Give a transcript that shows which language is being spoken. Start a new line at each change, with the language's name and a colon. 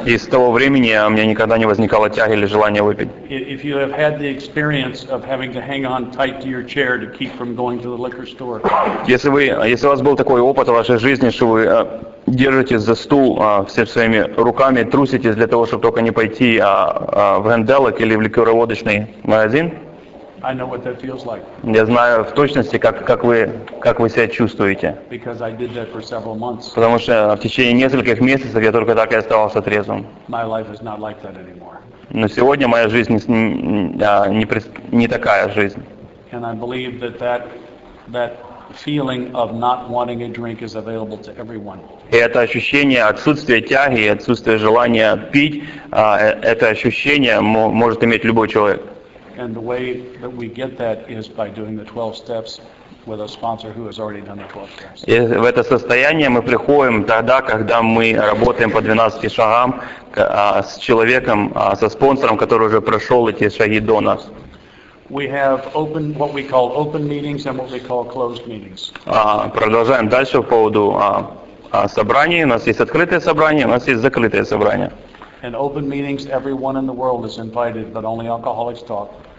Russian: И с того времени у меня никогда не возникало тяги или желания выпить.
English: If you have had the experience of having to hang on tight to your chair to keep from going to the liquor store.
Russian: Если у вас был такой опыт в вашей жизни, что вы держитесь за стул всеми своими руками, труситесь для того, чтобы только не пойти в Гэнделок или в ликероводочный магазин.
English: I know what that feels like.
Russian: Я знаю в точности, как вы себя чувствуете.
English: Because I did that for several months.
Russian: Потому что в течение нескольких месяцев я только так и оставался трезвым.
English: My life is not like that anymore.
Russian: Но сегодня моя жизнь не такая жизнь.
English: And I believe that feeling of not wanting a drink is available to everyone.
Russian: И это ощущение отсутствия тяги, отсутствия желания пить, это ощущение может иметь любой человек.
English: And the way that we get that is by doing the 12 steps with a sponsor who has already done the 12 steps.
Russian: И в это состояние мы приходим тогда, когда мы работаем по 12 шагам с человеком, со спонсором, который уже прошел эти шаги до нас.
English: We have open, what we call open meetings and what we call closed meetings.
Russian: Продолжаем дальше по поводу собраний. У нас есть открытое собрание, у нас есть закрытое собрание.
English: In open meetings, everyone in the world is invited, but only alcoholics talk.